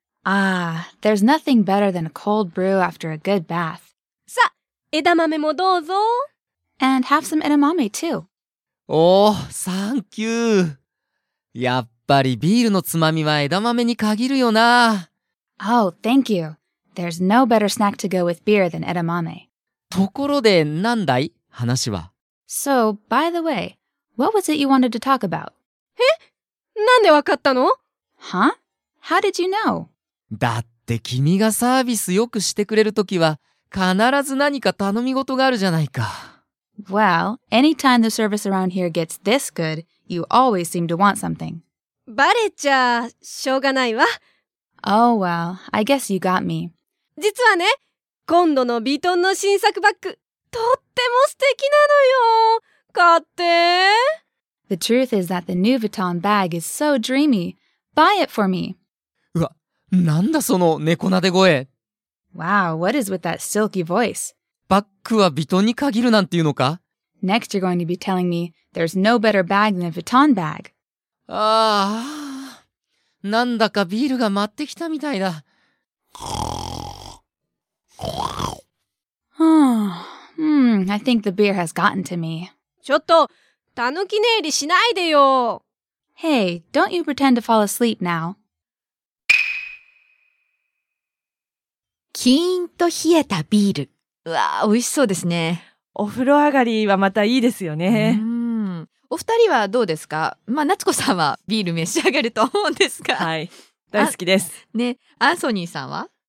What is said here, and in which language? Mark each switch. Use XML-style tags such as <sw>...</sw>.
<en>There's nothing better than a cold brew after a good bath.</en> <ja>さ、枝豆もどうぞ。</ja> <en>And have some edamame too. Oh, thank you.</en> <ja>やっぱりビールのつまみは枝豆に限るよな。</ja> <en>Oh, thank you. There's no better snack to go with beer than edamame.</en> <ja>ところで、なんだい？話は。</ja> <en>So, by the way, what was it you wanted to talk about?</en> <ja>え？なんでわかったの？</ja> <en>Huh? How did you know?</en> <ja>だって君がサービスよくしてくれるときは必ず何か頼み事があるじゃないか。</ja> <en>Well, anytime the service around here gets this good, you always seem to want something.</en> <ja>バレちゃ、しょうがないわ。</ja> <en>Oh well, I guess you got me.</en> <ja>実はね、今度のヴィトンの新作バッグ、とっても素敵なのよ。買って。</ja> <en>The truth is that the new Vuitton bag is so dreamy. Buy it for me.</en> <ja>なんだその猫なで声。</ja> <en>Wow, what is with that silky voice?</en> <ja>バッグはヴィトンに限るなんていうのか。</ja> <en>Next you're going to be telling me there's no better bag than a Vuitton bag.</en> <ja>なんだかビールが待ってきたみたいだ。</ja> <en>I think the beer has gotten to me.</en> <ja>ちょっと、たぬき寝入りしないでよ。</ja> <en>Hey, don't you pretend to fall asleep now.</en> <ja>キーンと冷えたビール。うわー、美味しそうですね。お風呂上がりはまたいいですよね。お二人はどうですか？まあ、夏子さんはビール召し上がると思うんですが。はい。大好きです。ね、アンソニーさんは？</ja>